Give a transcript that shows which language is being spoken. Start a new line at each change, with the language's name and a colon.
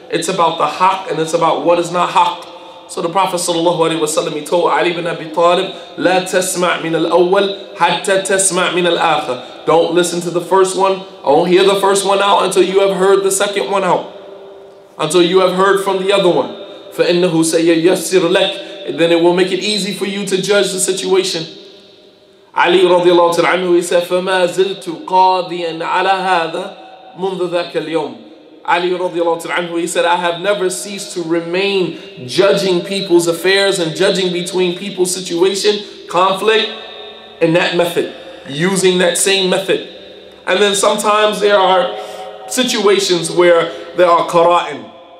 English: It's about the haq and it's about what is not haq. So the Prophet sallallahu alaihi wasallam, he told Ali ibn Abi Talib,
Arabic: لا تسمع من الأول حتى تسمع من الآخر.
English: Don't listen to the first one, don't hear the first one out until you have heard the second one out, until you have heard from the other one.
Arabic: فَإِنَّهُ سَيَيَسِّرُ لَكْ,
English: then it will make it easy for you to judge the situation.
Arabic: Ali radiallahu ta'ala anhu,
English: he said,
Arabic: فَمَا زِلْتُ قَاضِيًا عَلَى هَذَا مُنْذُ ذَاكَ الْيَوْمِ.
English: Ali radiallahu ta'ala anhu, he said, I have never ceased to remain judging people's affairs and judging between people's situation, conflict, in that method, using that same method. And then sometimes there are situations where there are qara'in.